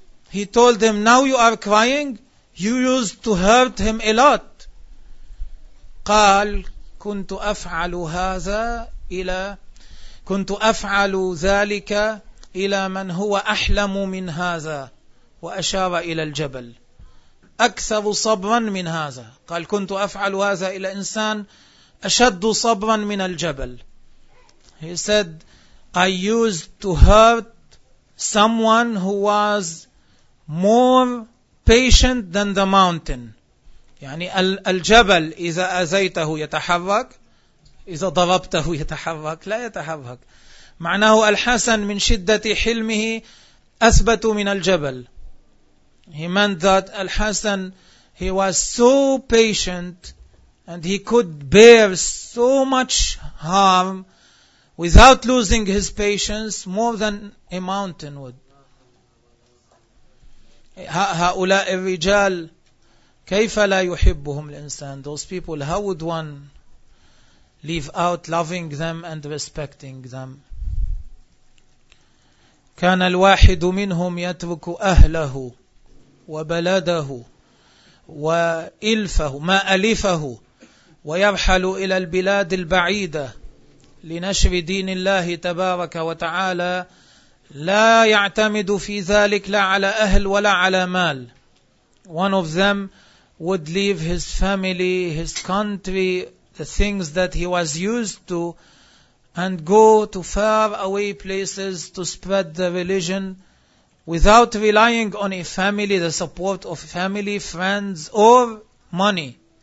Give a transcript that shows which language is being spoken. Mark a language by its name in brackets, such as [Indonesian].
[English] He told him, now you are crying? You used to hurt him a lot. [Arabic] قال كنت أفعل هذا إلى كنت أفعل ذلك إلى من هو أحلم من هذا وأشار إلى الجبل أكثر صبرا من هذا. قال كنت أفعل هذا إلى إنسان أشد صبرا من الجبل. [English] He said I used to hurt someone who was more patient than the mountain. [Arabic] يعني الجبل إذا أذيته يتحرك, إذا ضربته يتحرك, لا يتحرك. معناه الحسن من شدة حلمه أثبت من الجبل. [English] He meant that الحسن, he was so patient and he could bear so much harm without losing his patience more than a mountain would. [Arabic] هؤلاء الرجال كيف لا يحبهم الإنسان. [English] Those people, how would one leave out loving them and respecting them. [Arabic] كان الواحد منهم يترك أهله وبلده وإلفه ما ألفه ويرحل إلى البلاد البعيدة لنشر دين الله تبارك وتعالى لا يعتمد في ذلك لا على أهل ولا على مال. [English] One of them would leave his family, his country, the things that he was used to, and go to far away places to spread the religion without relying on a family, the support of family, friends, or money.